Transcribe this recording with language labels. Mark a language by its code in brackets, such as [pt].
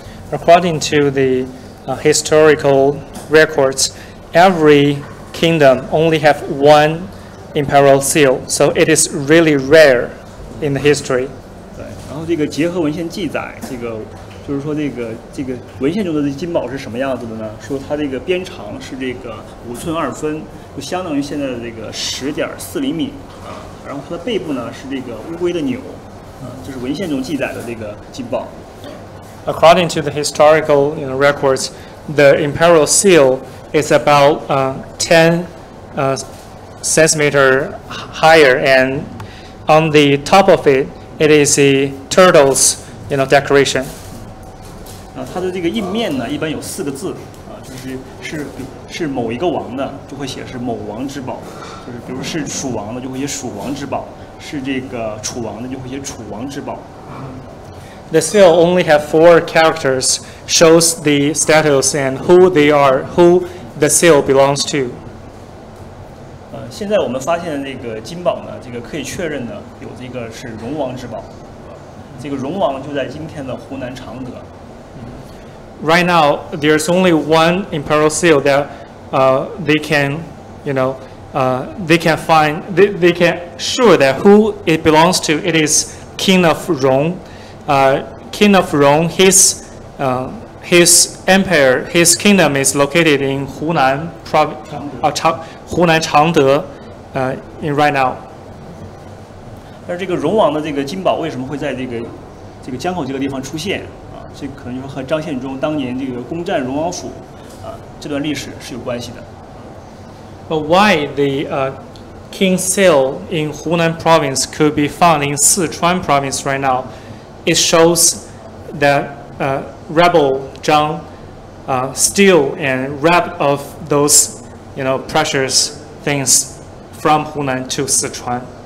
[en] According to the historical records, every kingdom only have one imperial seal, so it is really rare in the history. [zh] 对，然后这个结合文献记载，这个就是说这个文献中的金宝是什么样子的呢？说它这个边长是这个五寸二分，就相当于现在的这个10.4厘米啊。然后它的背部呢是这个乌龟的钮，就是文献中记载的这个金宝。 [en] According to the historical records, the imperial seal is about 10 centimeter higher, and on the top of it, it is a turtle's decoration. [zh] 它的这个印面呢，一般有四个字，就是是某一个王的，就会写是某王之宝，就是比如是蜀王的，就会写蜀王之宝，是这个楚王的，就会写楚王之宝。 [en] The seal only have 4 characters, shows the status and who they are, who the seal belongs to. [zh] 现在我们发现的这个金宝呢，这个可以确认的有这个是戎王之宝，这个戎王就在今天的湖南常德。 [en] Right now, there's only one imperial seal that they can, they can find, they can sure that who it belongs to. It is King of Rong. King of Rong, his empire, his kingdom is located in Hunan province, Hunan Changde, in right now. [zh] 但是这个戎王的这个金宝为什么会在这个江口这个地方出现？这可能就是和张献忠当年这个攻占戎王府，这段历史是有关系的。 [en] But why the king's seal in Hunan province could be found in Sichuan province right now? It shows that rebel Zhang steal and rob of those precious things from Hunan to Sichuan.